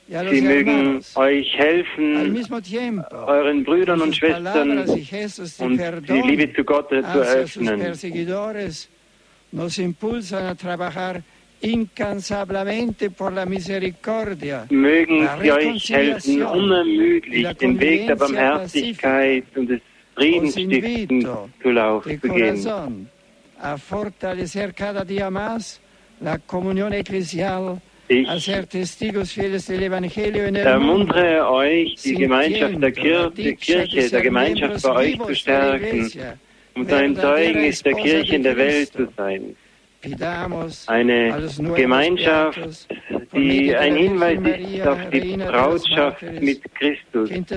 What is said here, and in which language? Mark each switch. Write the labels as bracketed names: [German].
[German] Sie mögen euch helfen, euren Brüdern und Schwestern und die Liebe zu Gott zu öffnen. [Spanish] Nos impulsan a trabajar incansablemente por la misericordia. [German] Mögen sie euch helfen, unermüdlich den Weg der Barmherzigkeit und des Friedensstiftens zu laufen. [Spanish] A fortalecer cada día más la comunión eclesial, a ser testigos fieles del Evangelio en el mundo. [German] Ermuntere euch, die Gemeinschaft der Kirche, der Gemeinschaft bei euch zu stärken, um sein Zeugnis der Kirche in der Welt zu sein. Eine Gemeinschaft, die ein Hinweis ist auf die Brautschaft mit Christus.